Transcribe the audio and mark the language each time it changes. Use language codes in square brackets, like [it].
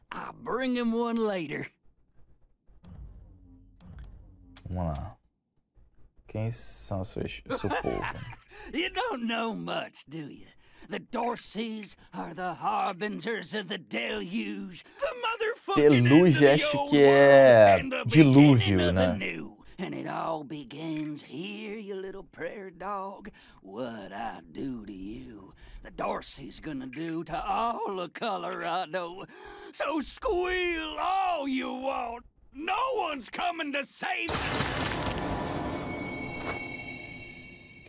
[en] I'll bring him one later. [pt] Vamos lá. Quem são seus supor? [en] You don't know much, do you? The Dorseys are the harbingers of the deluge. The motherfucking [pt] deluge, acho que é dilúvio, né? [en] And it all begins here, you little prayer dog. What I do to you, the Dorsey's gonna do to all of Colorado. So squeal all you want. No one's coming to save me.